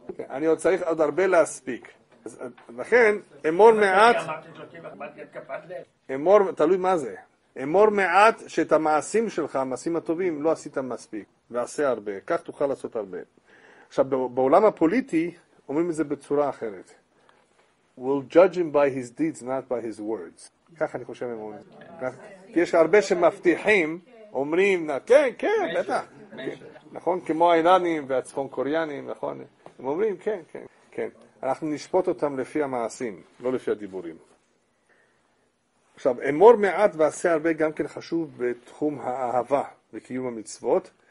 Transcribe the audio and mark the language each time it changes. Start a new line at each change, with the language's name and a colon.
Hebrew: אני עוד צריך עוד הרבה להספיק. לכן, אמור מעט... אמור, תלוי מה זה. אמור מעט שאת המעשים שלך, המעשים הטובים, לא עשית מספיק. ועשה הרבה. כך תוכל לעשות הרבה. עכשיו, בעולם הפוליטי, אומרים את זה בצורה אחרת.
English: We'll judge him by his deeds, not by his words.
Hebrew: כך אני חושב, הם אומרים. כי יש הרבה שמבטיחים, אומרים, כן, כן, בטח. נכון? כמו האיראנים והצפון קוריאנים, נכון? הם אומרים, כן, כן, כן. אנחנו נשפוט אותם לפי המעשים, לא לפי הדיבורים. עכשיו, אמור מעט ועשה הרבה גם כן חשוב בתחום האהבה וקיום המצוות.